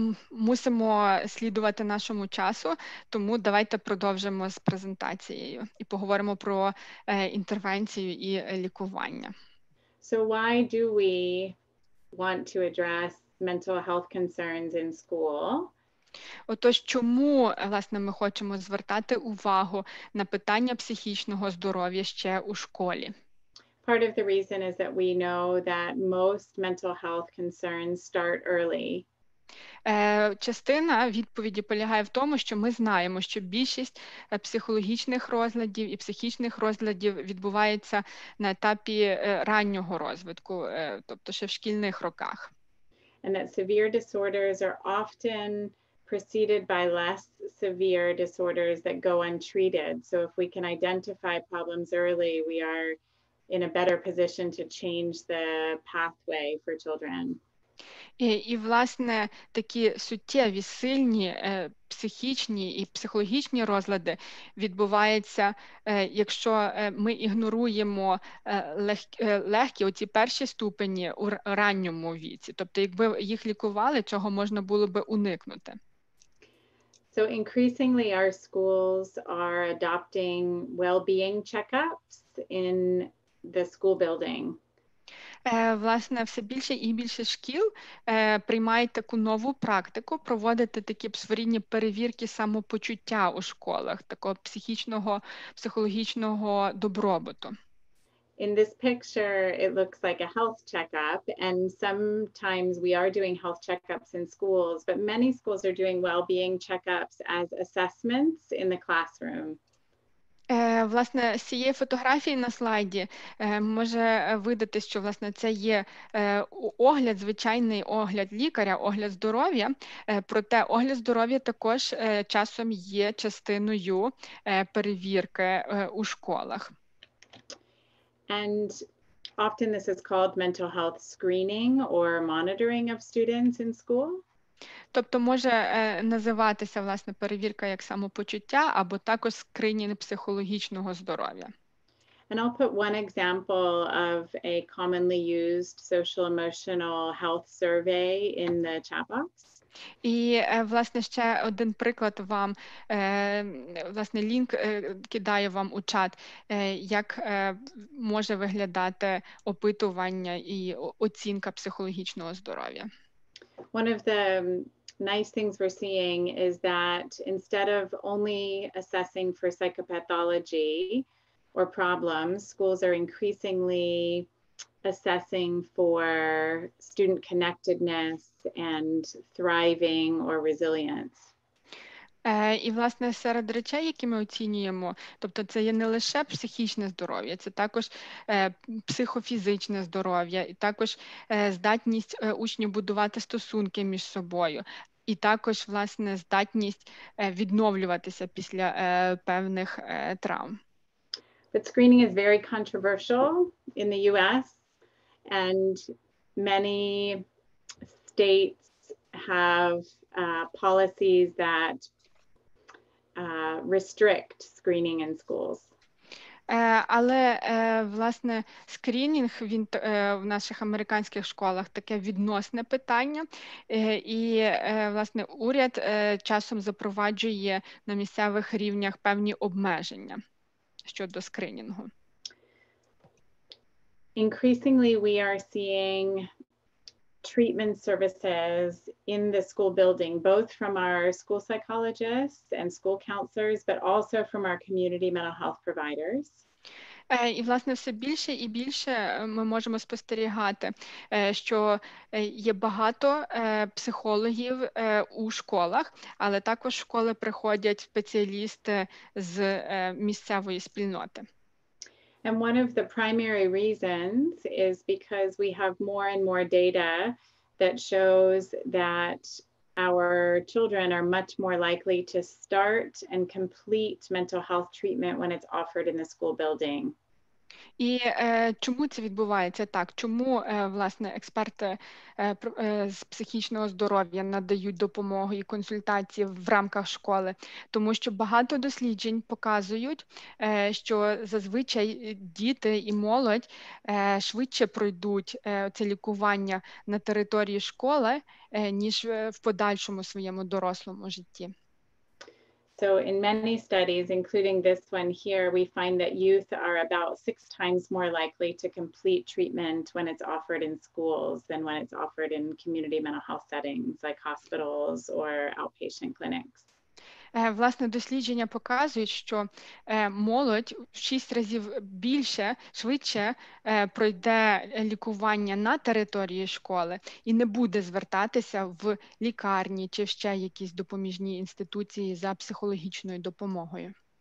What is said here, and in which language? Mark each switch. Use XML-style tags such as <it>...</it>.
<uk>Мусимо слідувати нашому часу, тому давайте продовжимо з презентацією і поговоримо про інтервенцію і лікування.</uk> <en>So why do we want to address mental health concerns in school?</en> <uk>Отож, чому, власне, ми хочемо звертати увагу на питання психічного здоров'я ще у школі?</uk> <en>Part of the reason is that we know that most mental health concerns start early.</en> <uk>Частина відповіді полягає в тому, що ми знаємо, що більшість психологічних розладів і психічних розладів відбувається на етапі раннього розвитку, тобто ще в шкільних роках.</uk> <en>And that severe disorders are often preceded by less severe disorders that go untreated. So if we can identify problems early, we are in a better position to change the pathway for children.</en> <uk>І власне, такі суттєві, сильні психічні і психологічні розлади відбуваються, якщо ми ігноруємо легкі, оці перші ступені у ранньому віці. Тобто якби їх лікували, цього можна було би уникнути.</uk> <en>So increasingly our schools are adopting well-being checkups in the school building.</en> <uk>Власне, все більше і більше шкіл приймають таку нову практику проводити такі своєрідні перевірки самопочуття у школах, такого психічного, психологічного добробуту.</uk> <en>In this picture it looks like a health checkup, and sometimes we are doing health checkups in schools, but many schools are doing well-being checkups as assessments in the classroom.</en> <uk>Власне, з цієї фотографії на слайді може видатись, що власне це є огляд, звичайний огляд лікаря, огляд здоров'я. Проте огляд здоров'я також часом є частиною перевірки у школах.</uk> <en>And often this is called mental health screening or monitoring of students in school.</en> <uk>Тобто може називатися власне перевірка як самопочуття або також скринінг психологічного здоров'я.</uk> <en>And I'll put one example of a commonly used social emotional health survey in the chat box.</en> <uk>І, власне, ще один приклад вам, власне, лінк кидаю вам у чат, як може виглядати опитування і оцінка психологічного здоров'я.</uk> <en>One of the nice things we're seeing is that instead of only assessing for psychopathology or problems, schools are increasingly assessing for student connectedness and thriving or resilience.</en> <uk>І, власне, серед речей, які ми оцінюємо, тобто це є не лише психічне здоров'я, це також психофізичне здоров'я і також здатність учнів будувати стосунки між собою і також, власне, здатність відновлюватися після певних травм.</uk> <en>But screening is very controversial in the US, and many states have policies that restrict screening in schools.</en> <uk>Але, власне, скринінг він в наших американських школах таке відносне питання. І, власне, уряд часом запроваджує на місцевих рівнях певні обмеження щодо скринінгу.</uk> <en>Increasingly we are seeing treatment services in the school building, both from our school psychologists and school counselors, but also from our community mental health providers.</en> <uk>І, власне, все більше і більше ми можемо спостерігати, що є багато психологів у школах, але також в школи приходять спеціалісти з місцевої спільноти.</uk> <en>And one of the primary reasons is because we have more and more data that shows that our children are much more likely to start and complete mental health treatment when it's offered in the school building.</en> <uk>І чому це відбувається так? Чому, власне, експерти з психічного здоров'я надають допомогу і консультації в рамках школи? Тому що багато досліджень показують, що зазвичай діти і молодь швидше пройдуть це лікування на території школи, ніж в подальшому своєму дорослому житті.</uk> <en>So in many studies, including this one here, we find that youth are about 6 times more likely to complete treatment when it's offered in schools than when it's offered in community mental health settings like hospitals or outpatient clinics.</en> <uk>Власне, дослідження показують, що молодь в 6 разів більше, швидше пройде лікування на території школи і не буде звертатися в лікарні чи в ще якісь допоміжні інституції за психологічною допомогою.</uk>